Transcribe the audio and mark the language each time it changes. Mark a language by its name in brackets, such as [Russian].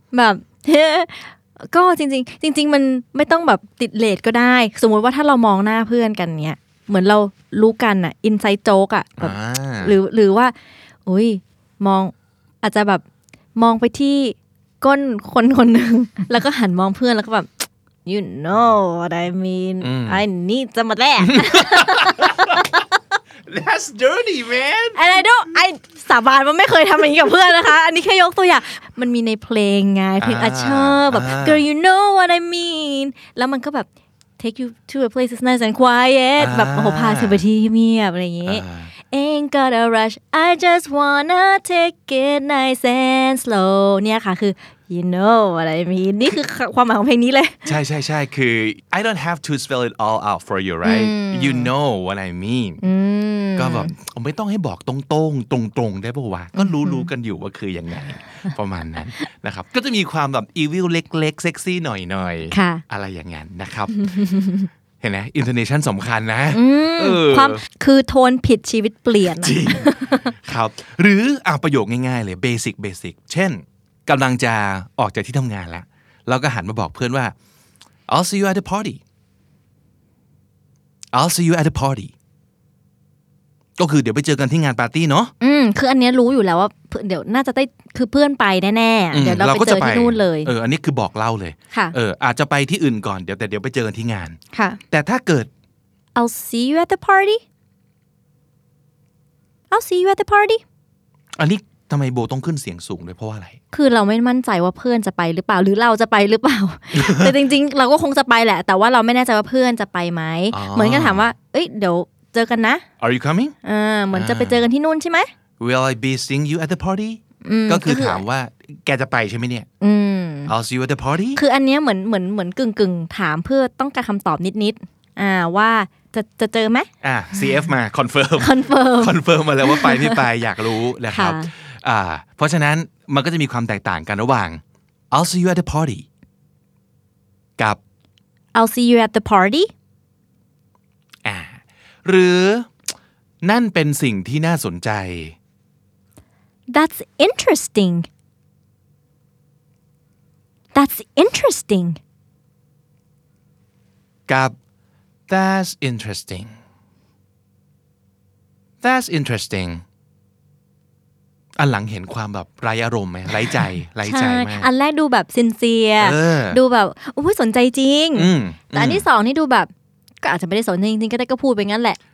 [Thai] แบบก็จริงๆมันไม่ต้องแบบติดเรทก็ได้สมมติว่าถ้าเรามองหน้าเพื่อนกันเนี้ยเหมือนเรารู้กันอะ inside joke อะแบบหรือว่าอุ้ยมองอาจจะแบบมองไปที่ก้นคนคนนึงแล้วก็หันมองเพื่อนแล้วก็แบบ [English] You know what I mean. I need some of that. That's dirty, man. And I don't. [Thai] I สาบานว่าไม่เคยทำอย่างนี้กับเพื่อนนะคะอันนี้แค่ยกตัวอย่างมันมีในเพลงไงเพลงอาชอแบบ [English] Girl, you know what I mean. [Thai] แล้วมันก็แบบ [English] Take you to a place that's nice and quiet. [Thai] แบบโอ้โหพาเธอไปที่เงียบอะไรอย่างนี้ [English] Ain't got a rush I just wanna take it nice and slow [Thai] เนี่ยค่ะคือ [English] you know what I mean [Thai] นี่คือความหมายของเพลงนี้เลย ใช่คือ [English] I don't have to spell it all out for you right you know what I mean [Thai] ก็แบบไม่ต้องให้บอกตรงๆตรงๆได้ป่าววะก็รู้กันอยู่ว่าคือยังไงประมาณนั้นนะครับก็จะมีความแบบ evil เล็กๆ sexy หน่อยๆอะไรอย่างเงี้ยนะครับเห็นไหม intonation สำคัญนะ ความคือโทนผิดชีวิตเปลี่ยน จริงครับหรือประโยคง่ายๆเลย basic เช่นกำลังจะออกจากที่ทำงานแล้วเราก็หันมาบอกเพื่อนว่า [English] I'll see you at the party [Thai] I'll see you at the party ก็คือเดี๋ยวไปเจอกันที่งานปาร์ตี้เนาะ คืออันนี้รู้อยู่แล้วว่าเดี๋ยวน่าจะได้คือเพื่อนไปแน่ๆเดี๋ยวเราไปเจอที่นู่นเลย อันนี้คือบอกเล่าเลย ค่ะ อาจจะไปที่อื่นก่อนเดี๋ยวไปเจอกันที่งาน ค่ะ แต่ถ้าเกิด [English] I'll see you at the party I'll see you at the party [Thai] อันนี้ทำไมโบต้องขึ้นเสียงสูงด้วยเพราะว่าอะไร คือเราไม่มั่นใจว่าเพื่อนจะไปหรือเปล่าหรือเราจะไปหรือเปล่า แต่จริงๆเราก็คงจะไปแหละแต่ว่าเราไม่แน่ใจว่าเพื่อนจะไปไหมเหมือนกันถามว่าเอ้ยเดี๋ยวเจอกันนะ [English] Are you coming [Thai] เหมือนจะไปเจอกันที่นู่นใช่ไหม [English] Will I be seeing you at the party [Thai] ก็คือถามว่าแกจะไปใช่ไหมเนี่ย [English] I'll see you at the party [Thai] คืออันนี้เหมือนกึ่งถามเพื่อต้องการคำตอบนิดว่าจะเจอไหม CF มา คอนเฟิร์ม มาแล้วว่าไปไม่ไปอยากรู้นะครับเพราะฉะนั้นมันก็จะมีความแตกต่างกันระหว่าง [English] I'll see you at the party [Thai] กับ [English] I'll see you at the party [Thai] หรือนั่นเป็นสิ่งที่น่าสนใจ [English] That's interesting That's interesting [Thai] กับ [English] That's interesting That's interesting [Thai] อันหลังเห็นความแบบไร้อารมณ์ไหมไร้ใจไร้ใจมาก อันแรกดูแบบซินเซียดูแบบโอ้ยสนใจจริงแต่อันที่สองนี่ดูแบบก็อาจจะไม่ได้สนใจจริงๆก็ได้ก็พูดไปงั้นแหละ